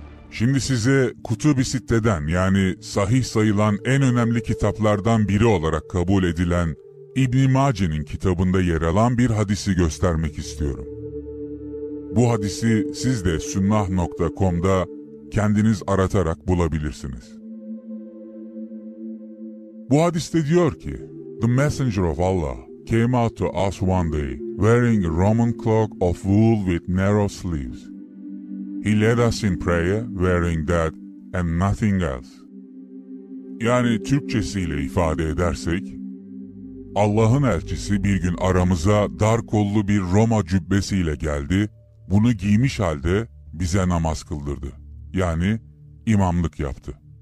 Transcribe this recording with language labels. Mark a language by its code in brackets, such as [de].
[tr] Şimdi size Kutub-i Sitte'den yani sahih sayılan en önemli kitaplardan biri olarak kabul edilen İbn-i Mace'nin kitabında yer alan bir hadisi göstermek istiyorum. Bu hadisi siz de sunnah.com'da kendiniz aratarak bulabilirsiniz. Bu hadiste diyor ki, [en] "The messenger of Allah came out to us one day wearing a Roman cloak of wool with narrow sleeves. He led us in prayer wearing that and nothing else." [tr] Yani Türkçesiyle ifade edersek, Allah'ın elçisi bir gün aramıza dar kollu bir Roma cübbesiyle geldi, bunu giymiş halde bize namaz kıldırdı. Yani imamlık yaptı.